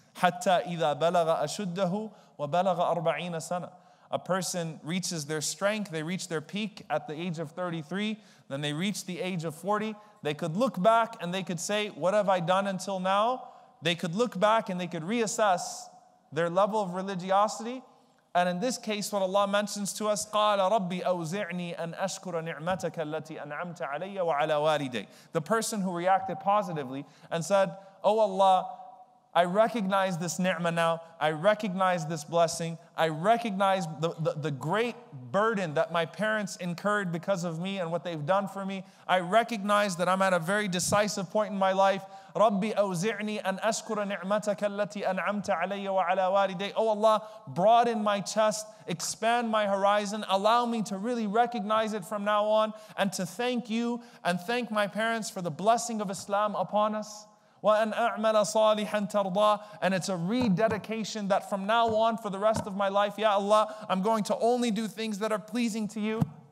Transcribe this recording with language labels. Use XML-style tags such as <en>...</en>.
<ar>حَتَّى إِذَا بَلَغَ أَشُدَّهُ وَبَلَغَ أَرْبَعِينَ سَنَةً.</ar> <en>A person reaches their strength, they reach their peak at the age of 33, then they reach the age of 40, they could look back and they could say, what have I done until now? They could look back and they could reassess their level of religiosity. And in this case, what Allah mentions to us,</en> <ar>قَالَ رَبِّ أَوْزِعْنِي أَنْ أَشْكُرَ نِعْمَتَكَ الَّتِي أَنْعَمْتَ عَلَيَّ وَعَلَى وَالِدَيْ.</ar> <en>The person who reacted positively and said, oh Allah, I recognize this ni'mah now. I recognize this blessing. I recognize the great burden that my parents incurred because of me and what they've done for me. I recognize that I'm at a very decisive point in my life.</en> <ar>رَبِّ أَوْزِعْنِي أَنْ أَشْكُرَ نِعْمَتَكَ الَّتِي أَنْعَمْتَ عَلَيَّ وَعَلَى وَالِدَيْ.</ar> <en>Oh Allah, broaden my chest, expand my horizon, allow me to really recognize it from now on and to thank you and thank my parents for the blessing of Islam upon us.</en> <ar>وَأَنْ أَعْمَلَ صَالِحًا تَرْضَاهُ.</ar> <en>And it's a rededication that from now on for the rest of my life, Ya Allah, I'm going to only do things that are pleasing to you.</en>